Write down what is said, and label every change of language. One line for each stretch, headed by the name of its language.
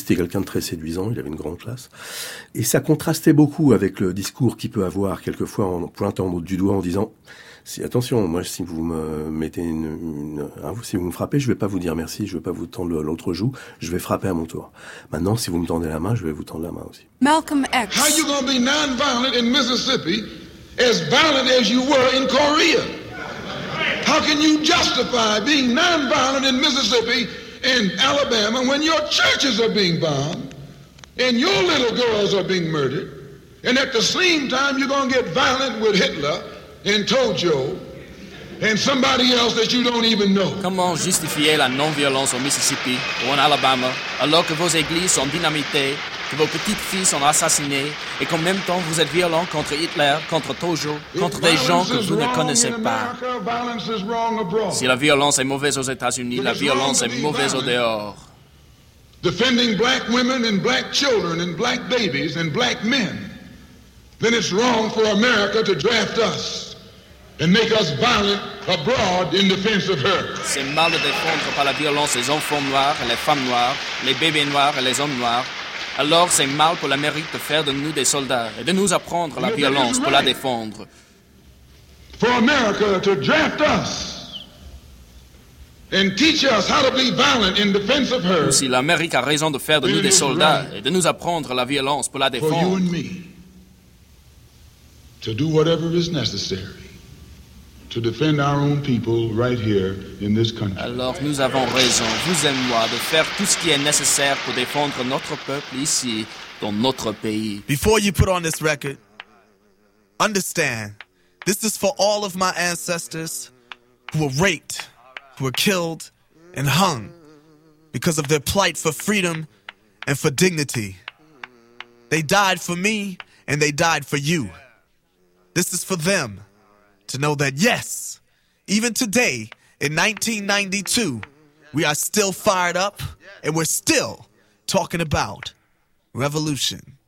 French: C'était quelqu'un de très séduisant, il avait une grande classe. Et ça contrastait beaucoup avec le discours qu'il peut avoir, quelquefois, en pointant l'autre du doigt, en disant... Si, attention, moi, si vous me mettez si vous me frappez, je vais pas vous dire merci, je vais pas vous tendre l'autre joue, je vais frapper à mon tour. Maintenant, si vous me tendez la main, je vais vous tendre la main aussi. Malcolm X.
English: How are you gonna be non-violent in Mississippi as violent as you were in Korea? How can you justify being non-violent in Mississippi and Alabama when your churches are being bombed and your little girls are being murdered and at the same time you're gonna get violent with Hitler? And told Joe and somebody else that you don't even know.
French: Comment justifier la non-violence au Mississippi ou en Alabama alors que vos églises sont dynamitées, que vos petites filles sont assassinées et qu'en même temps vous êtes violent contre Hitler, contre Tojo, contre des gens que vous ne connaissez pas? Si la violence est mauvaise aux États-Unis, la violence est mauvaise au dehors.
English: Defending black women and black children and black babies and black men. Then it's wrong for America to draft us and make us violent abroad in defense of her.
French: C'est mal de défendre par la violence les enfants noirs et les femmes noires, les bébés noirs et les hommes noirs. Alors c'est mal pour l'Amérique de faire de nous des soldats et de nous apprendre la violence pour la défendre.
English: For America to draft us and teach us how to be violent in defense of her.
French: Si l'Amérique a raison de faire de nous des soldats et de nous apprendre la violence pour la défendre.
English: To do whatever is necessary to defend our own people right here in this country.
French: Alors nous avons raison, vous et moi, de faire tout ce qui est nécessaire pour défendre notre peuple ici, dans notre pays.
English: Before you put on this record, understand, this is for all of my ancestors who were raped, who were killed and hung because of their plight for freedom and for dignity. They died for me and they died for you. This is for them to know that, yes, even today in 1992, we are still fired up and we're still talking about revolution.